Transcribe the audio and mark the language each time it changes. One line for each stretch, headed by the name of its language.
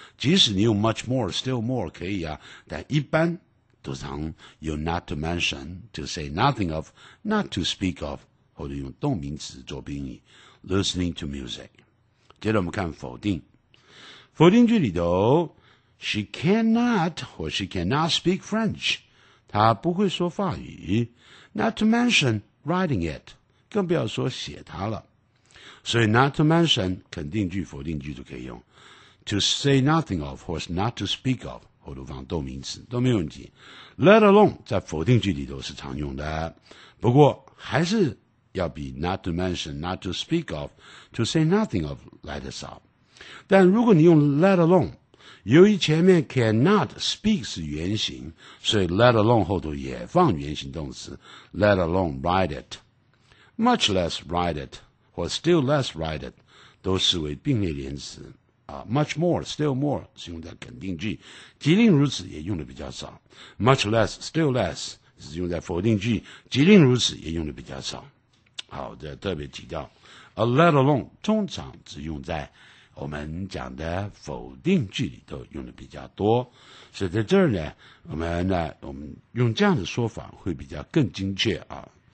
Chinese: 即使你用
English: much more still more
Chinese: 可以啊，但一般都常用
English: not to mention， to say nothing of， not to speak of，
Chinese: 或者用动名词做宾语
English: listening to music。
Chinese: 接着我们看否定，否定句里头 she cannot 或
English: she cannot speak French，
Chinese: 她不会说法语，
English: not to mention writing it，
Chinese: 更不要说写它了。所以
English: not to mention
Chinese: 肯定句否定句都可以用，
English: to say nothing of
Chinese: 或是
English: not to speak of
Chinese: 或者放动名词都没问题，
English: let alone
Chinese: 在否定句里头是常用的，不过还是要比 not to mention， not to speak of， to say nothing of 来得少。但如果你用
English: let alone，
Chinese: 由于前面
English: cannot speak
Chinese: 是原型，所以 let alone 后头也放原型动词，
English: let alone write it， much less write it，
Chinese: 或
English: still less write it，
Chinese: 都视为并列连词啊。
English: much more still more
Chinese: 是用在肯定句，即令如此也用的比较少，
English: much less still less
Chinese: 是用在否定句，即令如此也用的比较少。好的，特别提到
English: a let alone
Chinese: 通常只用在我们讲的否定句里头用的比较多，所以在这儿呢我们用这样的说法会比较更精确啊。